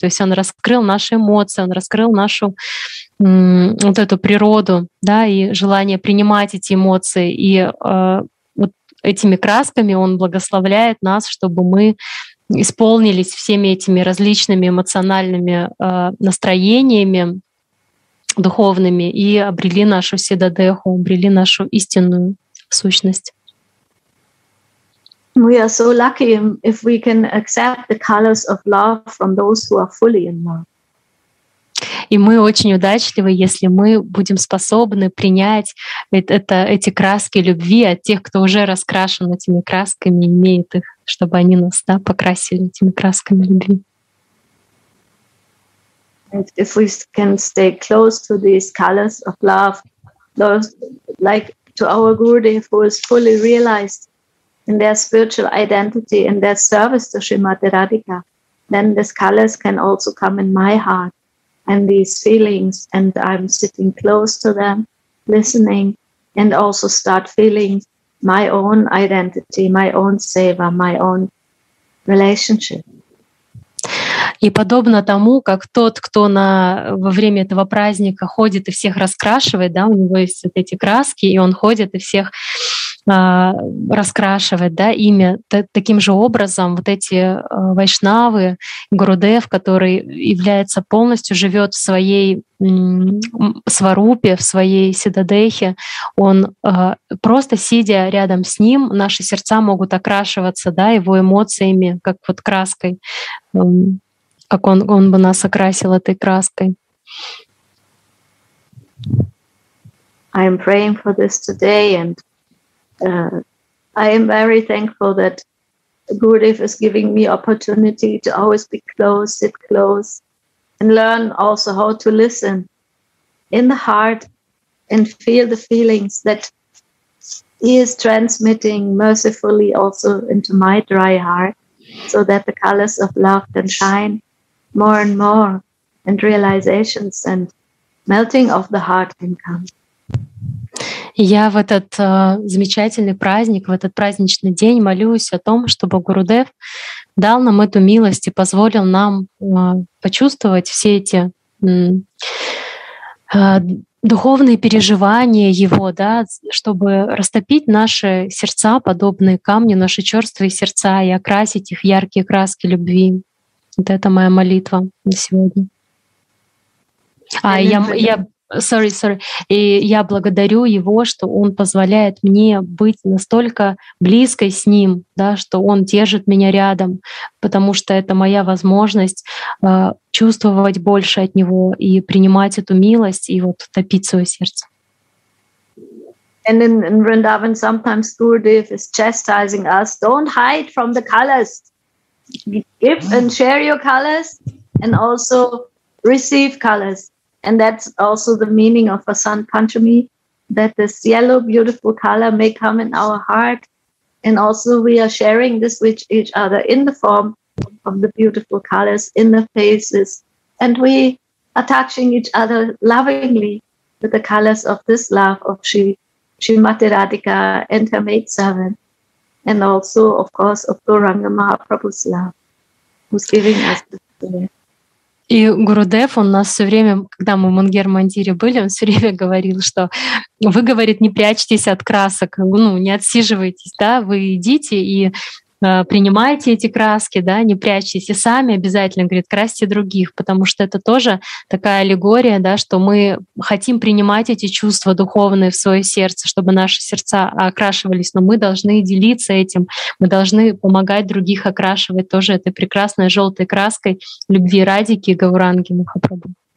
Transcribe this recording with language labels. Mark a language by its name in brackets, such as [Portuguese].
[Russian] То есть он раскрыл наши эмоции, он раскрыл нашу вот эту природу, да, и желание принимать эти эмоции и этими красками он благословляет нас, чтобы мы исполнились всеми этими различными эмоциональными настроениями духовными и обрели нашу седадеху, обрели нашу истинную сущность. [English] We are so lucky if we can accept the colors of love from those who are fully in love. [Russian] И мы очень удачливы, если мы будем способны принять эти краски любви от тех, кто уже раскрашен этими красками, имеет их, чтобы они нас, да, покрасили этими красками любви. [English] If we can stay close to these colors of love, those, like to our Gurudev, who is fully realized in their spiritual identity, in their service to Srimati Radhika, then these colors can also come in my heart. And these feelings, and I'm sitting close to them, listening, and also start feeling my own identity, my own seva, my own relationship. [Russian] И подобно тому, как тот, кто во время этого праздника ходит и всех раскрашивает, да, у него есть вот эти краски, и он ходит и всех раскрашивает, да, имя. Таким же образом вот эти вайшнавы, Гурудев, который является полностью, живет в своей сварупе, в своей седадехе, он просто сидя рядом с ним, наши сердца могут окрашиваться, да, его эмоциями, как вот краской, как он бы нас окрасил этой краской. [English] I am praying for this today and I am very thankful that Gurudev is giving me opportunity to always be close, sit close, and learn also how to listen in the heart and feel the feelings that he is transmitting mercifully also into my dry heart, so that the colors of love can shine more and more, and realizations and melting of the heart can come. [Russian] Я в этот замечательный праздник, в этот праздничный день молюсь о том, чтобы Гурудев дал нам эту милость и позволил нам почувствовать все эти духовные переживания его, да, чтобы растопить наши сердца, подобные камню, наши чёрствые сердца и окрасить их яркие краски любви. Вот это моя молитва на сегодня. [English] Sorry. [Russian] И я благодарю его, что он позволяет мне быть настолько близкой с ним, да, что он держит меня рядом, потому что это моя возможность чувствовать больше от него и принимать эту милость и вот топить свое сердце. [English] And in Vrindavan sometimes Gurudev is chastising us, don't hide from the colors. Give and share your colors and also receive colors. And that's also the meaning of Vasant Panchami, that this yellow, beautiful color may come in our heart. And also we are sharing this with each other in the form of the beautiful colors in the faces. And we are touching each other lovingly with the colors of this love of Srimati Radhika and her maidservant. And also, of course, of Gauranga Mahaprabhu's love, who's giving us the spirit. [Russian] И Гурудев, он нас все время, когда мы в Мунгер Мандире были, он все время говорил, что вы, говорит, не прячьтесь от красок, ну, не отсиживайтесь, да, вы идите и принимайте эти краски, да, не прячьтесь, и сами обязательно, говорит, красьте других, потому что это тоже такая аллегория, да, что мы хотим принимать эти чувства духовные в свое сердце, чтобы наши сердца окрашивались, но мы должны делиться этим, мы должны помогать других окрашивать тоже этой прекрасной желтой краской любви Радики и Гауранги Махапрабху.